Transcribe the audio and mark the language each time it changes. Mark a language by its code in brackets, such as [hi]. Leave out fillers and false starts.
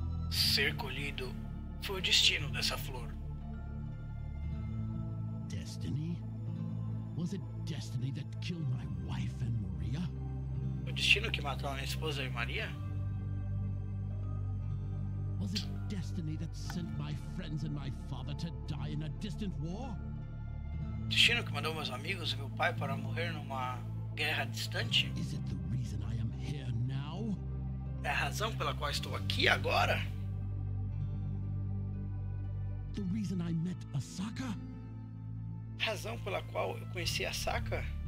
[pt] Ser colhido foi o destino dessa flor. [en] Destiny? Was it destiny that killed my wife and Maria? [pt] O destino que matou a minha esposa e Maria? [en] Was it destiny that sent my friends and my father to die in a distant war? [pt] O destino que mandou meus amigos e meu pai para morrer numa guerra distante? [en] Is it the reason I am here now? [pt] É a razão pela qual estou aqui agora? [en] The reason I met Asaka? [pt] Razão pela qual eu conheci Asaka?